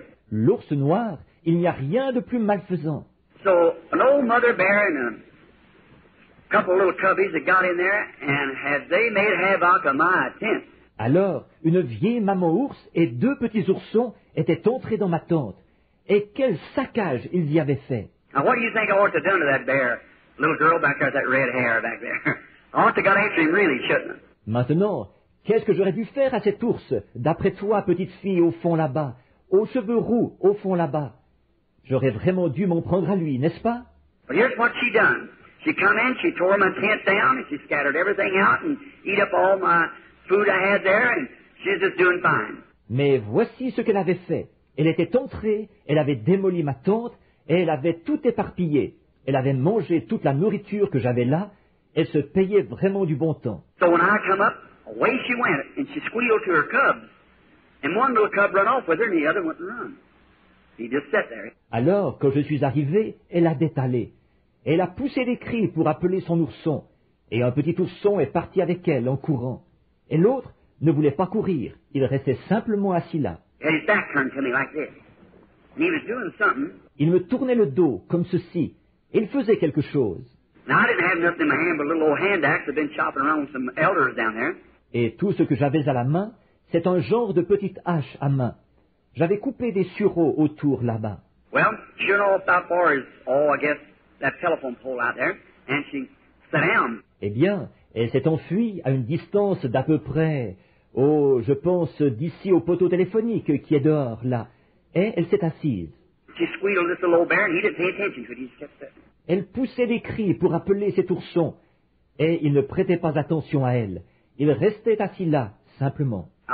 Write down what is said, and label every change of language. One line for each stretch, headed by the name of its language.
French: L'ours noir, il n'y a rien de plus malfaisant.
English: So, an old mother bear and a couple little cubbies that got in there and had they made havoc of my tent.
French: Alors, une vieille maman ours et deux petits oursons étaient entrés dans ma tente. Et quel saccage ils y avaient fait.
English: Now, what do you think I ought to have done to that bear, little girl back there with that red hair back there? I ought to have got after him, really, shouldn't I?
French: Maintenant, qu'est-ce que j'aurais dû faire à cet ours, d'après toi, petite fille, au fond là-bas, aux cheveux roux, au fond là-bas? J'aurais vraiment dû m'en prendre à lui, n'est-ce pas?
English: But here's what she done. She come in, she tore my tent down, and she scattered everything out and eat up all my... Food I had there, and she's just doing fine.
French: Mais voici ce qu'elle avait fait. Elle était entrée, elle avait démoli ma tente, et elle avait tout éparpillé. Elle avait mangé toute la nourriture que j'avais là. Elle se payait vraiment du bon temps.
English: So when I come up, away she went, and she squealed to her cubs. And one little cub ran off with her, and the other went and run. He just sat there.
French: Alors, quand je suis arrivé, elle a détalé. Elle a poussé des cris pour appeler son ourson. Et un petit ourson est parti avec elle en courant. Et l'autre ne voulait pas courir. Il restait simplement assis là.
English: And his back turned to me like this. And he was doing something.
French: Il me tournait le dos comme ceci. Il faisait quelque chose.
English: Now, I didn't have nothing in my hand but a little old hand axe. I've been chopping around with some elders down there.
French: Et tout ce que j'avais à la main, c'est un genre de petite hache à main. J'avais coupé des sureaux autour là-bas.
English: Well, sure enough, how far is all, I guess, that telephone pole out there? And she sat down.
French: Eh bien, elle s'est enfuie à une distance d'à peu près, oh, je pense, d'ici au poteau téléphonique qui est dehors, là. Et elle s'est assise.
English: She squealed this little old bear, and he didn't pay attention to it. He just kept sitting.
French: Elle poussait des cris pour appeler cet ourson, et il ne prêtait pas attention à elle. Il restait assis là, simplement.